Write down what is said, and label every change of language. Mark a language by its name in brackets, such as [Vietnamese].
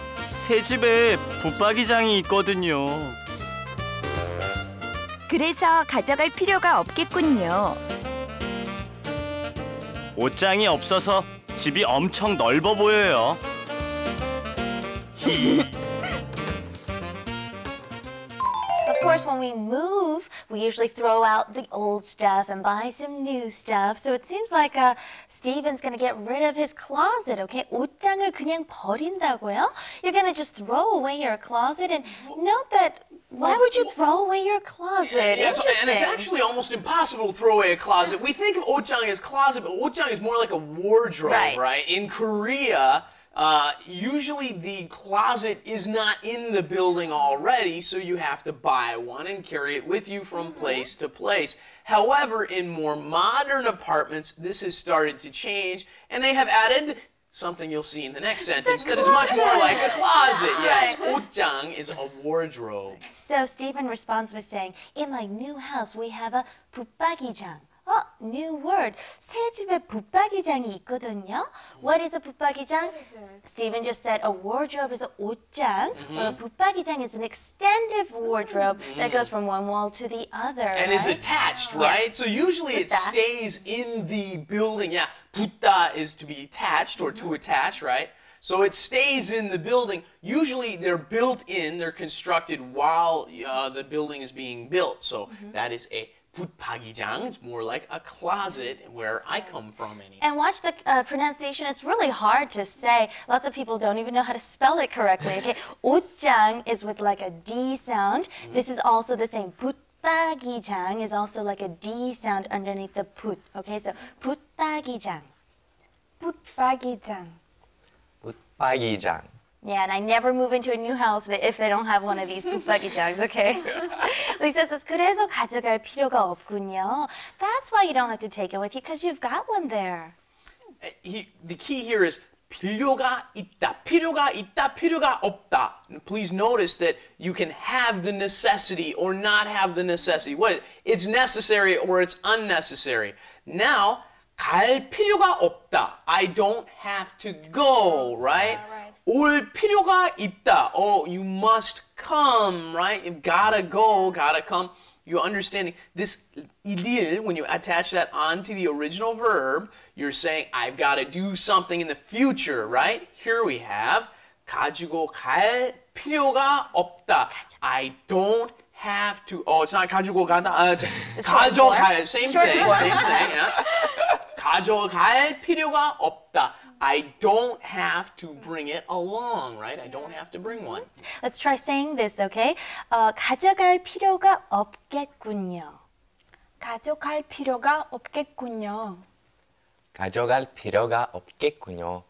[Korean] 새 집에 붙박이장이 있거든요. 그래서 가져갈 필요가 없겠군요. 옷장이 없어서 집이 엄청 넓어 보여요. 히. [English] Of course, when we move, we usually throw out the old stuff and buy some new stuff. So it seems like Stephen's going to get rid of his closet, okay? [Korean] 옷장을 그냥 버린다고요? [English] You're going to just throw away your closet and note that why would you throw away your closet? And it's actually almost impossible to throw away a closet. We think of 옷장 as closet, but 옷장 is more like a wardrobe, right? In Korea, usually the closet is not in the building already, so you have to buy one and carry it with you from place to place. However, in more modern apartments, this has started to change, and they have added something you'll see in the next sentence that is much more like a closet. Yes, 옷장 is a wardrobe. So Stephen responds by saying, in my new house, we have a 붙박이장. Oh, new word. [Korean] 새 집에 붙박이장이 있거든요. [English] What is a 붙박이장? Stephen just said a wardrobe is a 옷장. Mm-hmm. Well, a 붙박이장 is an extended wardrobe that goes from one wall to the other. And right? is attached, right? Yes. So usually it stays in the building. Yeah, 붙다 is to be attached or to attach, right? So it stays in the building. Usually they're built in, they're constructed while the building is being built. So that is a 붙박이장. It's more like a closet where I come from. And watch the pronunciation. It's really hard to say. Lots of people don't even know how to spell it correctly. Okay, 옷장 is with like a D sound. This is also the same. 붙박이장 is also like a D sound underneath the 붙. Okay, so 붙박이장. [Korean] 붙박이장. 붙박이장. [English] Yeah, and I never move into a new house if they don't have one of these 붙박이장s, okay? Lisa says, [Korean] 그래서 가져갈 필요가 없군요. [English] That's why you don't have to take it with you, because you've got one there. The key here is [Korean] 필요가 있다. 필요가 있다, 필요가 없다. [English] Please notice that you can have the necessity or not have the necessity. What? It's necessary or it's unnecessary. Now, [Korean] 갈 필요가 없다. [English] I don't have to go, right? Yeah, right. [Korean] 올 필요가 있다. [English] Oh, you must come, right? You gotta go, gotta come. You're understanding this 일, when you attach that onto the original verb, you're saying, I've got to do something in the future, right? Here we have, [Korean] 가지고 갈 필요가 없다. [English] I don't have to. Oh, it's not [Korean] 가지고 간다. [English] It's 가져갈, same thing. Yeah. [Korean] 가져갈 필요가 없다. [English] I don't have to bring it along, right? I don't have to bring one. Let's try saying this, okay? [Korean] 가져갈 필요가 없겠군요. 가져갈 필요가 없겠군요. 가져갈 필요가 없겠군요.